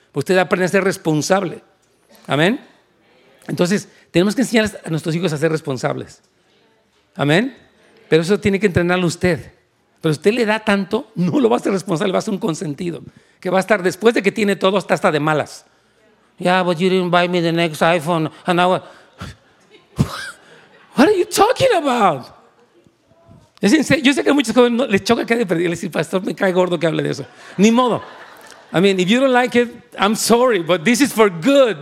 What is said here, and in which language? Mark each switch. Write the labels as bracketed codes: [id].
[es] Usted aprende a ser responsable. ¿Amén? Entonces, tenemos que enseñar a nuestros hijos a ser responsables. ¿Amén? Pero eso tiene que entrenarlo usted. Pero usted le da tanto, no lo va a ser responsable, va a ser un consentido. Que va a estar, después de que tiene todo, está hasta de malas. [en] Yeah, but you didn't buy me the next iPhone. And I was... What are you talking about? [es] Es [en] insane. [es] Yo sé que a muchos jóvenes les choca que haya perdido. Les digo, pastor, me cae gordo que hable de eso. Ni modo. [en] I mean, if you don't like it, I'm sorry, but this is for good.